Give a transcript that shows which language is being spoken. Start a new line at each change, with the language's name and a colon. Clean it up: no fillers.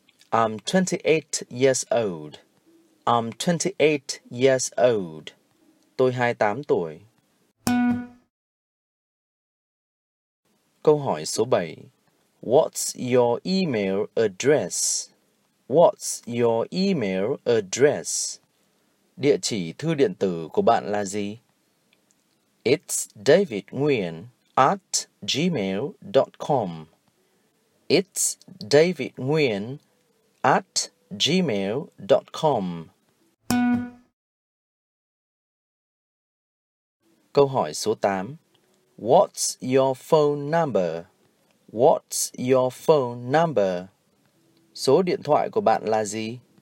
English: I'm 28 years old. I'm 28 years old.
Vietnamese: Tôi 28 tuổi. Câu hỏi số 7.
English: What's your email address? What's your email address?
Vietnamese: Địa chỉ thư điện tử của bạn là gì?
English: It's David Nguyen at gmail.com. It's David Nguyen at gmail.com.
Vietnamese: Câu hỏi số 8.
English: What's your phone number? What's your phone number?
Vietnamese: Số điện thoại của bạn là gì?